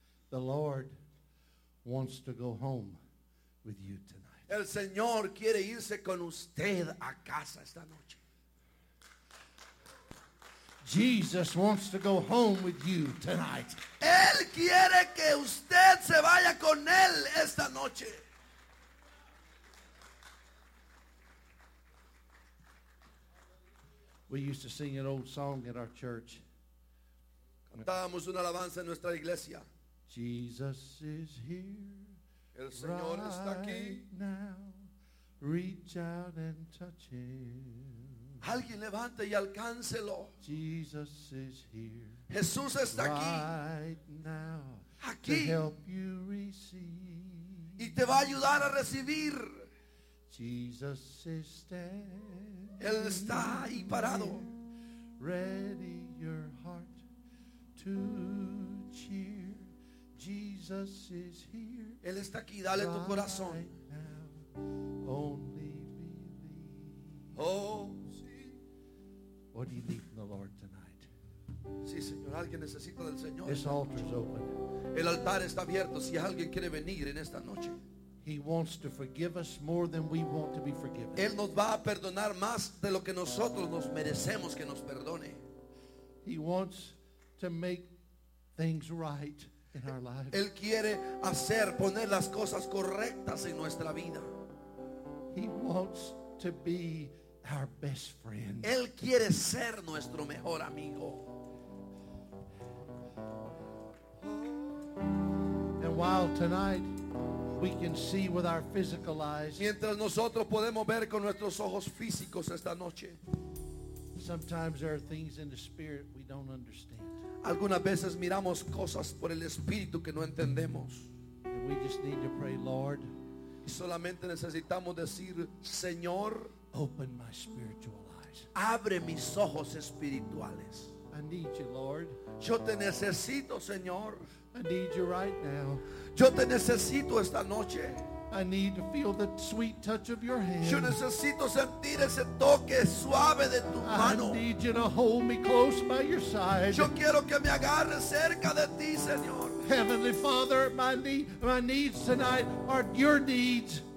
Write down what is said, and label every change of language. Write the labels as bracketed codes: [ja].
[en] the Lord wants to go home with you tonight. [es] El Señor quiere irse con usted a casa esta noche. [en] Jesus wants to go home with you tonight. [es] Él quiere que usted se vaya con él esta noche. [en] We used to sing an old song at our church. [es] Cantábamos una alabanza en nuestra iglesia. [en] Jesus is here. [es] El Señor [en] right [es] está aquí. [en] Now. Reach out and touch him. [es] Alguien levante y alcáncelo. [en] Jesus is here. [es] Jesús está aquí. [en] Right now. [es] Aquí. [en] To help you receive. [es] Y te va a ayudar a recibir. [en] Jesus is standing. [es] Él está ahí parado. [en] Ready your heart to cheer. Jesus is here. [es] Él está aquí, dale tu corazón. [en] Right now. Only believe. Oh. What do you need from the Lord tonight? [es] Sí, señor, alguien necesita del Señor. [en] This altar is open. [es] El altar está abierto si alguien quiere venir en esta noche. [en] He wants to forgive us more than we want to be forgiven. [es] Él nos va a perdonar más de lo que nosotros nos merecemos que nos perdone. [en] He wants to make things right in our lives. [es] Él quiere hacer, poner las cosas correctas en nuestra vida. [en] He wants to be our best friend. [es] Él quiere ser nuestro mejor amigo. [en] And while tonight we can see with our physical eyes, [es] mientras nosotros podemos ver con nuestros ojos físicos esta noche, [en] sometimes there are things in the spirit we don't understand. [es] Algunas veces miramos cosas por el espíritu que no entendemos. [en] And we just need to pray, Lord. [es] Y solamente necesitamos decir, Señor, [en] open my spiritual eyes. [es] Abre mis ojos espirituales. [en] I need you, Lord. [es] Yo te necesito, Señor. [en] I need you right now. [es] Yo te necesito esta noche. [en] I need to feel the sweet touch of your hand. [es] Yo necesito sentir ese toque suave de tu mano. [en] I need you to hold me close by your side. [es] Yo quiero que me agarres cerca de ti, Señor. [en] Heavenly Father, my needs tonight are your needs.